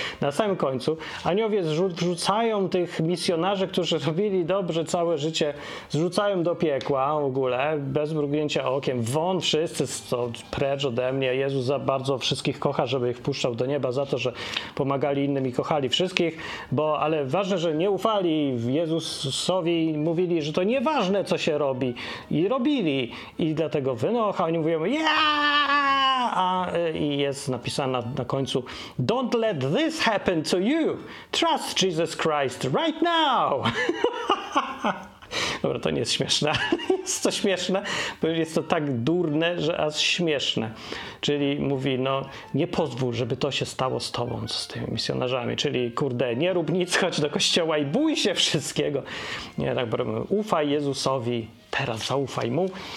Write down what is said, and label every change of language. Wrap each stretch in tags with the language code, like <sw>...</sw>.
<pl>Na samym końcu aniołowie zrzucają tych misjonarzy, którzy robili dobrze całe życie, zrzucają do piekła w ogóle, bez mrugnięcia okiem, won wszyscy, co precz ode mnie, Jezus za bardzo wszystkich kocha, żeby ich puszczał do nieba za to, że pomagali innym i kochali wszystkich, bo ale ważne, że nie ufali Jezusowi, mówili, że to nieważne, co się robi i robili i dlatego wynocha, oni mówią, yeah! A i jest napisane na końcu:</pl> <en>Don't let this happen to you. Trust Jesus Christ right now.</en> <pl>Dobra, to nie jest śmieszne. Jest to śmieszne, bo jest to tak durne, że aż śmieszne. Czyli mówi, no nie pozwól, żeby to się stało z tobą, z tymi misjonarzami. Czyli kurde, nie rób nic, chodź do kościoła i bój się wszystkiego. Nie, tak bym mówił, ufaj Jezusowi. Teraz zaufaj mu.</pl>